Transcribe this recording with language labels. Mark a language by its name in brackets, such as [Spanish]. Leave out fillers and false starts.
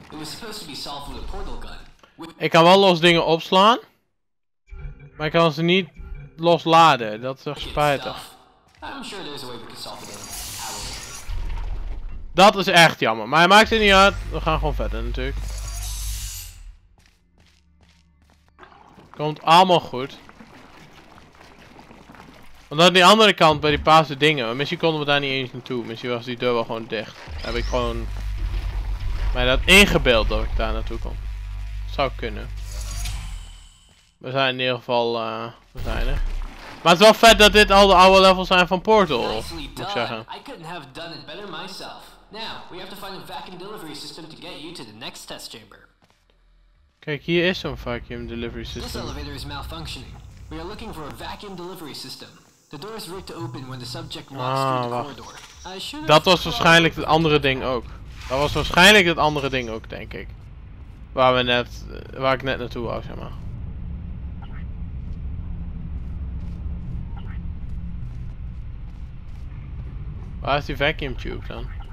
[English] It was supposed to be solved with a portal gun. [Dutch] Ik kan wel los dingen opslaan. Maar ik kan ze niet losladen. Dat is toch spijtig. [English] I'm sure there's a way we can solve it in. [Dutch] Dat is echt jammer. Maar hij maakt het niet uit. We gaan gewoon verder natuurlijk. Komt allemaal goed. Want aan die andere kant bij die paarse dingen, misschien konden we daar niet eens naartoe. Misschien was die deur wel gewoon dicht. Dan heb ik gewoon mij dat ingebeeld dat ik daar naartoe kom. Zou kunnen. We zijn in ieder geval, we zijn er. Maar het is wel vet dat dit al de oude levels zijn van Portal, moet ik zeggen. [English] I couldn't have done it better myself. Now, we have to find a vacuum delivery system to get you to the next test chamber. [Dutch] Kijk, hier is zo'n vacuum delivery system. [English] This elevator is malfunctioning. We are looking for a vacuum delivery system. The door is rigged to open when the subject walks through the corridor. [Dutch] Dat was waarschijnlijk het andere ding ook. Dat was waarschijnlijk het andere ding ook, denk ik. Waar we net, waar ik net naartoe was, zeg maar. Waar is die vacuum tube dan?